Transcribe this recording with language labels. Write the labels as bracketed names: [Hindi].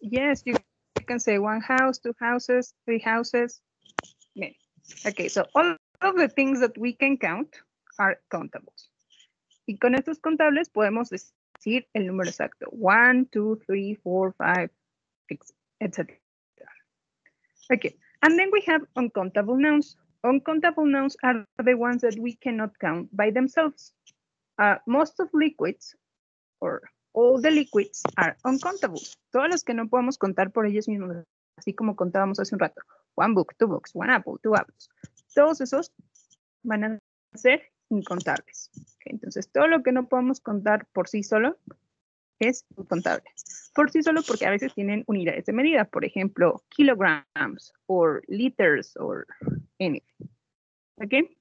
[English] yes, you can say one house, two houses, three houses. Okay, so all of the things that we can count are countables. [Spanish] Y con estos contables podemos decir el número exacto. 1, 2, 3, 4, 5, 6, etc. [English] Okay, and then we have uncountable nouns. Uncountable nouns are the ones that we cannot count by themselves. Most of liquids, or all the liquids, are uncountable. [Spanish] Todos los que no podemos contar por ellos mismos, así como contábamos hace un rato. [English] One book, two books, one apple, two apples. [Spanish] Todos esos van a ser incontables. Okay, entonces, todo lo que no podemos contar por sí solo es incontable. Por sí solo porque a veces tienen unidades de medida. Por ejemplo, [English] kilograms, or liters, or anything. [Spanish] ¿Ok?